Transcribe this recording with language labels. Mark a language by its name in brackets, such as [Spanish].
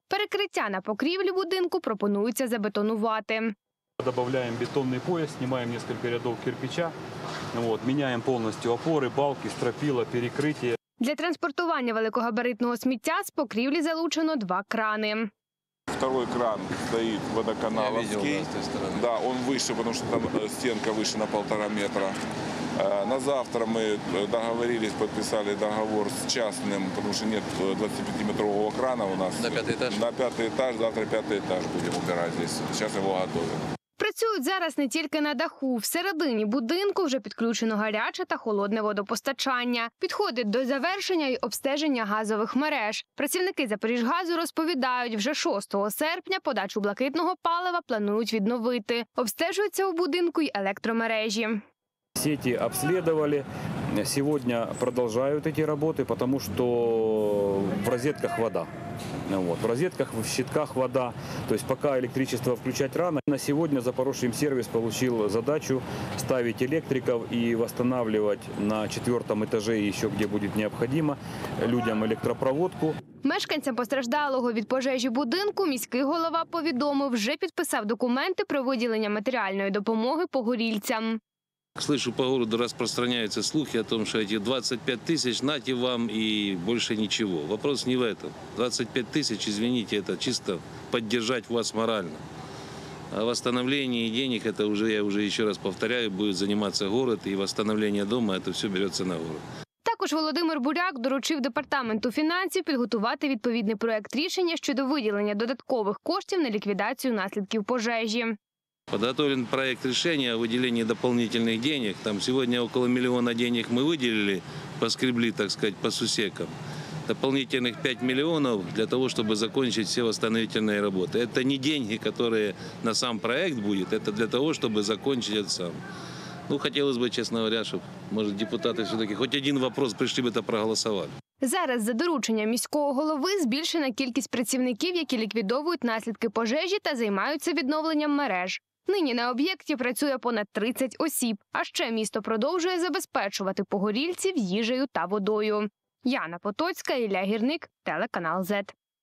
[Ukrainian] Перекриття на покрівлі будинку пропонується забетонувати. Добавляємо бетонний пояс, знімаємо кілька рядів кирпича, міняємо повністю опори, балки, стропила, перекриття. Для транспортування великогабаритного сміття з покрівлі залучено два крани. [Russian] Второй кран стоит водоканаловский. Да, он выше, потому что там стенка выше на 1.5 метра. На завтра мы договорились, подписали договор с частным, потому что нет 25-метрового крана у нас. На пятый этаж? На пятый этаж, завтра пятый этаж будем убирать здесь. Сейчас его готовим. [Ukrainian] Працюють зараз не тільки на даху. Всередині будинку вже підключено гаряче та холодне водопостачання. Підходить до завершення й обстеження газових мереж. Працівники «Запоріжгазу» розповідають, вже 6 серпня подачу блакитного палива планують відновити. Обстежуються у будинку й електромережі. [Russian] Сети обследовали. [Ukrainian] Сьогодні продовжують ці роботи, тому що в розетках вода. В розетках, в щитках вода. Тобто поки електричество включати рано. На сьогодні «Запорожчимсервіс» отримав задачу ставити електриків і відновлювати на 4-му етажі, ще де буде необхідно, людям електропроводку. Мешканцям постраждалого від пожежі будинку міський голова повідомив, вже підписав документи про виділення матеріальної допомоги погорільцям. [Russian] Слышу, по городу распространяются слухи о том, что эти 25 тысяч, нате вам и больше ничего. Вопрос не в этом. 25 тысяч, извините, это чисто поддержать вас морально. А восстановление денег, это уже, я уже еще раз повторяю, будет заниматься город, и восстановление дома, это все берется на город. Також Володимир Буряк доручив Департаменту фінансів підготувати відповідний проект рішення щодо виділення додаткових коштів на ліквідацію наслідків пожежі. Подготовлен проект решения о выделении дополнительных денег. Там сегодня около 1 000 000 денег мы выделили, поскребли, так сказать, по сусекам. Дополнительных 5 миллионов для того, чтобы закончить все восстановительные работы. Это не деньги, которые на сам проект будет, это для того, чтобы закончить это сам. Ну, хотелось бы, честно говоря, чтобы, может, депутаты все-таки хоть один вопрос пришли бы, это проголосовали. [Ukrainian] Зараз за дорученням міського голови збільшена кількість працівників, які ліквідовують наслідки пожежі та займаються відновленням мереж. Нині на об'єкті працює понад 30 осіб, а ще місто продовжує забезпечувати погорільців їжею та водою. Яна Потоцька, Ілля Гірник, телеканал Z.